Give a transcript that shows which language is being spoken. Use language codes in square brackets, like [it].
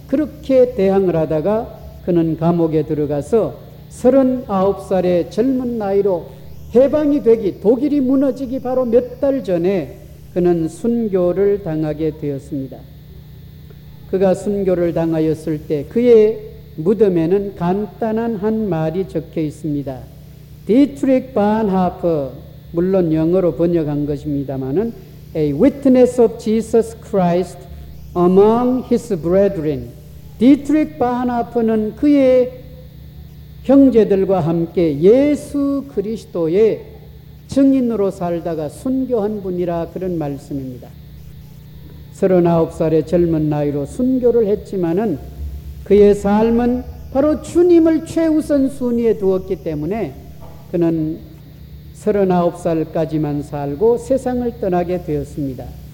[ko] 그렇게 대항을 하다가 그는 감옥에 들어가서 39살의 젊은 나이로 해방이 되기, 독일이 무너지기 바로 몇 달 전에 그는 순교를 당하게 되었습니다. 그가 순교를 당하였을 때 그의 무덤에는 간단한 한 말이 적혀 있습니다. [en] 디트릭 반하퍼, [ko] 물론 영어로 번역한 것입니다만은 [en] A witness of Jesus Christ among his brethren. [ko] 디트릭 반하퍼는 그의 형제들과 함께 예수 그리스도의 증인으로 살다가 순교한 분이라 그런 말씀입니다. 39살의 젊은 나이로 순교를 했지만은 그의 삶은 바로 주님을 최우선 순위에 두었기 때문에 그는 39살까지만 살고 세상을 떠나게 되었습니다.